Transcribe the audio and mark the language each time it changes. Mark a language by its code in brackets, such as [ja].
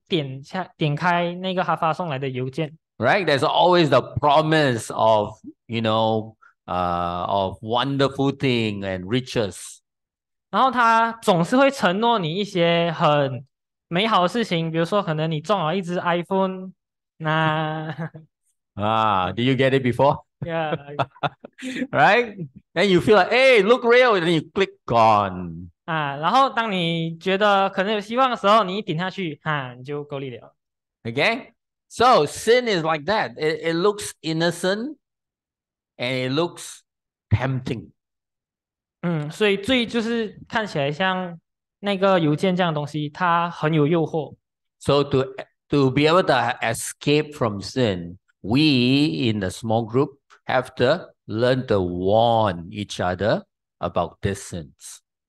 [zh] 然后他们会去吸引你，会去想要接起那一封电话，或者是点开那个他发送来的邮件。 [en] Right? There's always the promise of, you know, of wonderful thing and riches. [zh] 然后他总是会承诺你一些很美好的事情，比如说可能你中了一只 iPhone. 那 [en] Did you get it before? Yeah. Right? Then you feel like, hey, look real. Then you click gone. [zh] 然后当你觉得可能有希望的时候，你一点下去，你就够力了。 [en] Okay. So sin is like that. It looks innocent. And it looks tempting. [zh] 所以罪就是看起来像那个邮件这样的东西，它很有诱惑。 [en] So to be able to escape from sin, we in the small group have to learn to warn each other about these sins.